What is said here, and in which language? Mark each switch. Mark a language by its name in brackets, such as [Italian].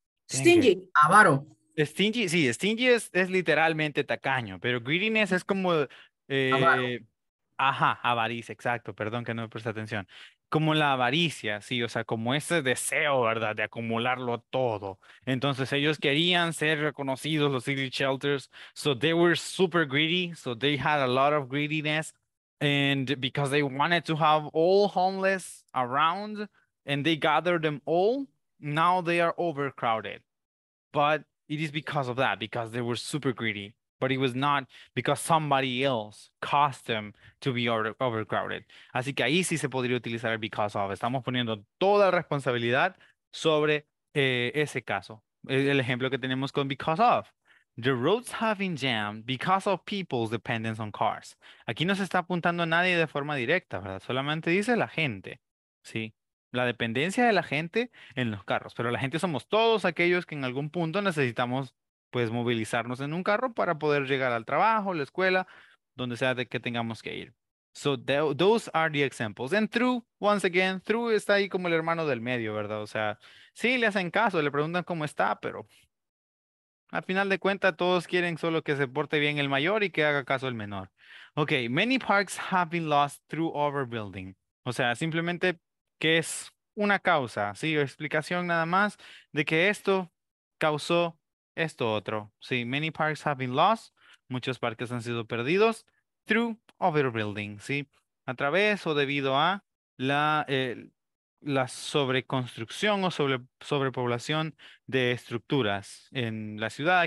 [English] stingy. [Spanish] Avaro. Stingy, sí, stingy es literalmente tacaño, pero greediness es como avaro. Ajá, avaricia, exacto. Perdón que no me presté atención. Como la avaricia, sí, o sea, como ese deseo, ¿verdad?, de acumularlo todo. Entonces ellos querían ser reconocidos, [English] los city shelters, so they were super greedy, so they had a lot of greediness, and because they wanted to have all homeless around, and they gathered them all, now they are overcrowded. But it is because of that, because they were super greedy, but it was not because somebody else caused them to be overcrowded. [Spanish] Así que ahí sí se podría utilizar el because of. Estamos poniendo toda la responsabilidad sobre ese caso. El ejemplo que tenemos con because of. [English] The roads have been jammed because of people's dependence on cars. [Spanish] Aquí no se está apuntando a nadie de forma directa, ¿verdad? Solamente dice la gente, ¿sí? La dependencia de la gente en los carros. Pero la gente somos todos aquellos que en algún punto necesitamos, pues, movilizarnos en un carro para poder llegar al trabajo, la escuela, donde sea de que tengamos que ir. [English] So those are the examples. And through, once again, [Spanish] through está ahí como el hermano del medio, ¿verdad? O sea, sí le hacen caso, le preguntan cómo está, pero A final de cuentas, todos quieren solo que se porte bien el mayor y que haga caso el menor. [English] Okay, many parks have been lost through overbuilding. [Spanish] O sea, simplemente que es una causa, ¿sí? Explicación nada más de que esto causó esto otro. Sí, [English] many parks have been lost. [Spanish] Muchos parques han sido perdidos [English] through overbuilding, [Spanish] ¿sí? A través o debido a la sobreconstrucción o sobrepoblación de estructuras en la ciudad.